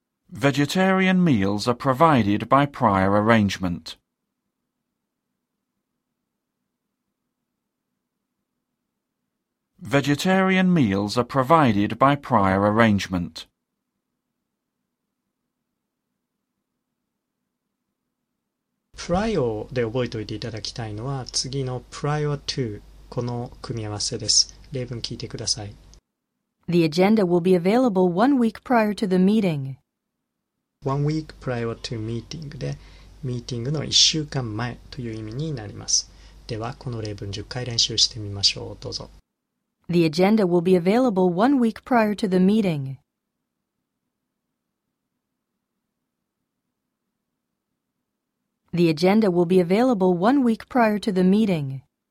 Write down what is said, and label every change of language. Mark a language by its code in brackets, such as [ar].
[en] Vegetarian meals are provided by prior arrangement. Vegetarian meals are provided by prior arrangement. [ja] Prior で覚えておいていただきたいのは次の prior to この組み合わせです。例文聞いてください。 [en] The agenda will be available 1 week prior to the meeting. 1 week prior to meeting [ja] で、ミーティングの1週間前という意味になります。では、この例文10回練習してみましょう。どうぞ。 [en] The agenda will be available 1 week prior to the meeting. The agenda will be available 1 week prior to the meeting.